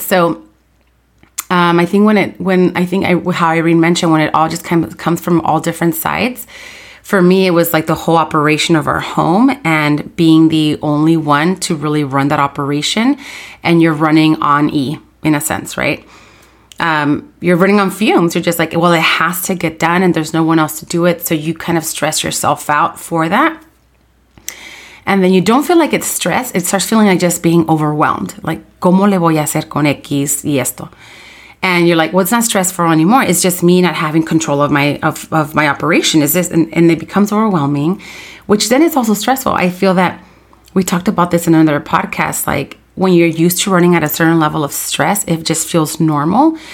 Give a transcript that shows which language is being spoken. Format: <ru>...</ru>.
<en>So, I think how Irene mentioned when it all just kind of comes from all different sides, for me, it was like the whole operation of our home and being the only one to really run that operation. And you're running on E in a sense, right? You're running on fumes. You're just like, well, it has to get done and there's no one else to do it. So you kind of stress yourself out for that. And then you don't feel like it's stress. It starts feeling like just being overwhelmed.</en> <es>Like, ¿cómo le voy a hacer con X y esto?</es> <en>And you're like, well, it's not stressful anymore. It's just me not having control of my operation. Is this? And it becomes overwhelming, which then is also stressful. I feel that we talked about this in another podcast. Like when you're used to running at a certain level of stress, it just feels normal.</en>